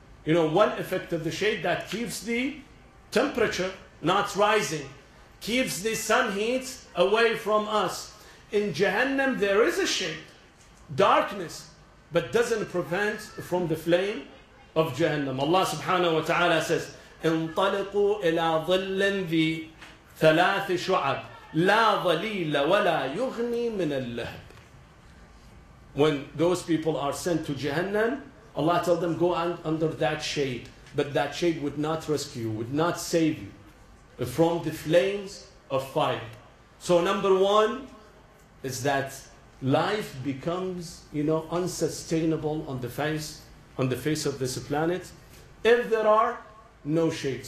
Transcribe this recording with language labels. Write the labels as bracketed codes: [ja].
[en] You know, one effect of the shade that keeps the temperature not rising. keeps the sun heat away from us. In Jahannam, there is a shade, darkness, but doesn't prevent from the flame of Jahannam. Allah subhanahu wa ta'ala says, [ar] انطلقوا إلى ظل ذي ثلاث شعب لا ظليل ولا يغني من اللهب. [en] When those people are sent to Jahannam, Allah tells them, go under that shade. But that shade would not rescue you, would not save you from the flames of fire. So number one is that life becomes, you know, unsustainable on the face of this planet if there are no shades.